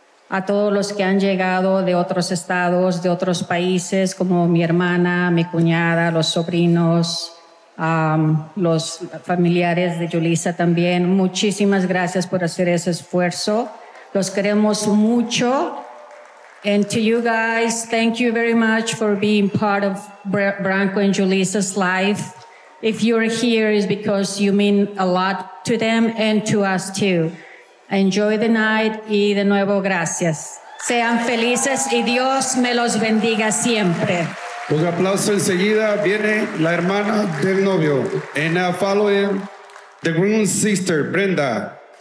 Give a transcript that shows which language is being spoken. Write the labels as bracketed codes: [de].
[es] A todos los que han llegado de otros estados, de otros países, como mi hermana, mi cuñada, los sobrinos, los familiares de Julisa también, muchísimas gracias por hacer ese esfuerzo. Los queremos mucho. [en] And to you guys, thank you very much for being part of Branco and Julisa's life. If you're here, it's because you mean a lot to them and to us too. Enjoy the night [es] y de nuevo, gracias. Sean felices y Dios me los bendiga siempre. Un aplauso enseguida. Viene la hermana del novio. [en] And now following the groom's sister, Brenda.